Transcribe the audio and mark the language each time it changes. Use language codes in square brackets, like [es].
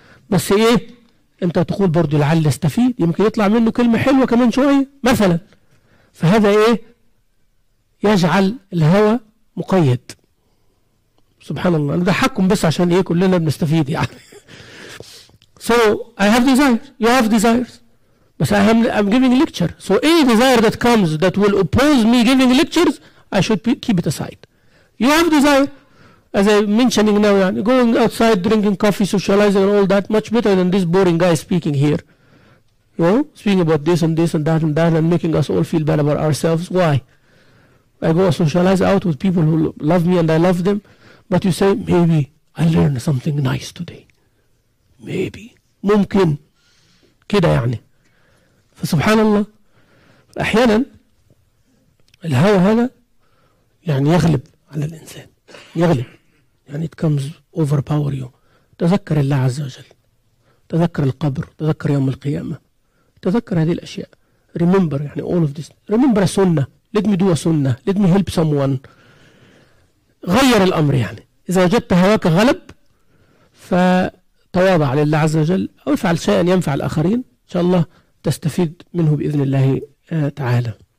[ar] بس إيه؟ أنت تقول برضو لعل استفيد، يمكن يطلع منه كلمة حلوة كمان شوية مثلا. فهذا إيه؟ يجعل الهوى مقيد. سبحان الله، أنا بضحكهم بس عشان إيه كلنا بنستفيد يعني. [en] So I have desires, you have desires. بس I'm giving a lecture. So any desire that comes that will oppose me giving lectures, I should keep it aside. You have desire, as I'm mentioning now, يعني going outside, drinking coffee, socializing and all that, much better than this boring guy speaking here. You know, speaking about this and this and that and that and making us all feel bad about ourselves. Why? I go socialize out with people who love me and I love them. But you say, maybe I learned something nice today. [ar] Maybe. ممكن. كده يعني. فسبحان الله. أحيانا الهوى هذا يعني يغلب على الإنسان. يغلب. [en] يعني it comes overpower you. [ar] تذكر الله عز وجل. تذكر القبر. تذكر يوم القيامة. تذكر هذه الأشياء. [en] Remember يعني all of this. Remember السنة. Let me do a sunnah. Let me help someone. [ar] غير الأمر يعني. إذا وجدت هواك غلب فتواضع لله عز وجل أو افعل شيئا ينفع الآخرين إن شاء الله تستفيد منه بإذن الله تعالى.